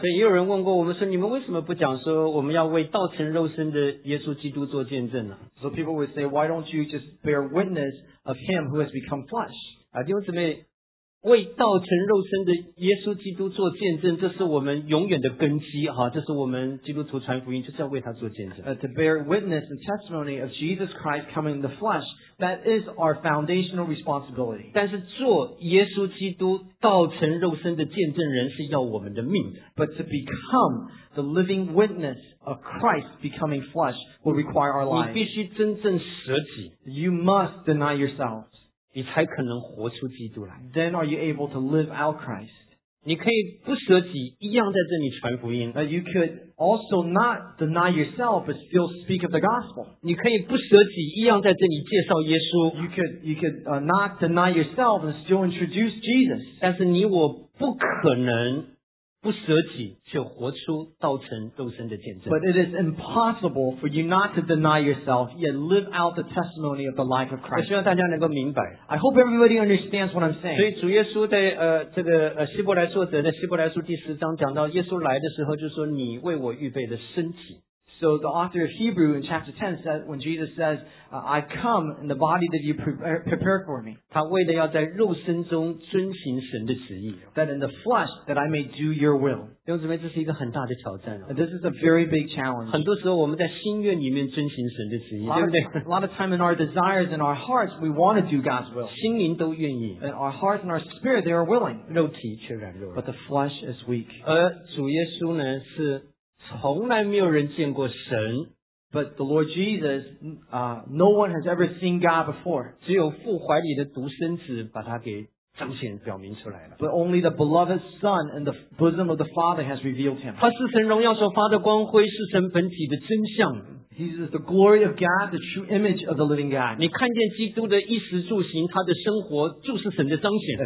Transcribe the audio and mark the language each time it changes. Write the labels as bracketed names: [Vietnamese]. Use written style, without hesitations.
[Chinese] 所以也有人问过我们说，你们为什么不讲说我们要为道成肉身的耶稣基督做见证呢？ [English] So people would say, why don't you just bear witness of Him who has become flesh? [Chinese] 弟兄姊妹。为道成肉身的耶稣基督做见证，这是我们永远的根基哈，这是我们基督徒传福音就是要为他做见证。 [English] To bear witness and testimony of Jesus Christ coming in the flesh, that is our foundational responsibility. [Chinese] 但是做耶稣基督道成肉身的见证人是要我们的命。 [English] But to become the living witness of Christ becoming flesh will require our lives. [Chinese] 你必须真正舍己。 [English] You must deny yourself. [Chinese] 你才可能活出基督来。 [English] Then are you able to live out Christ? [Chinese] 你可以不舍己，一样在这里传福音。 [English] You could also not deny yourself, but still speak of the gospel. [Chinese] 你可以不舍己，一样在这里介绍耶稣。 [English] You could not deny yourself and still introduce Jesus. [Chinese] 但是你我不可能不舍己，却活出道成肉身的见证。 [English] But it is impossible for you not to deny yourself, yet live out the testimony of the life of Christ. [Chinese] 希望大家能够明白。 [English] I hope everybody understands what I'm saying. [Chinese] 所以主耶稣在这个希伯来作者在希伯来书第十章讲到耶稣来的时候，就说你为我预备的身体。 [English] So the author of Hebrew in chapter 10 says, when Jesus says, I come in the body that you prepare for me. [Chinese] 他为了要在肉身中遵行神的旨意。 [English] That in the flesh that I may do your will. [Chinese] 弟兄姊妹，这是一个很大的挑战。 [English] This is a very big challenge. [Chinese] 很多时候我们在心愿里面遵行神的旨意，对不对？ [English] A lot of time in our desires and our hearts, we want to do God's will. [Chinese] 心灵都愿意。 [English] And our heart and our spirit, they are willing. [Chinese] 肉体却软弱。 [English] But the flesh is weak. [Chinese] 而主耶稣呢是从来没有人见过神 [English] ，But the Lord Jesus, no one has ever seen God before. [Chinese] 只有父怀里的独生子把他给彰显表明出来了。 [English] But only the beloved Son in the bosom of the Father has revealed him. [Chinese] 他是神荣耀所发的光辉，是神本体的真相。 [English] He is the glory of God, the true image of the living God. [Chinese] 你看见基督的衣食住行，他的生活就是神的彰显。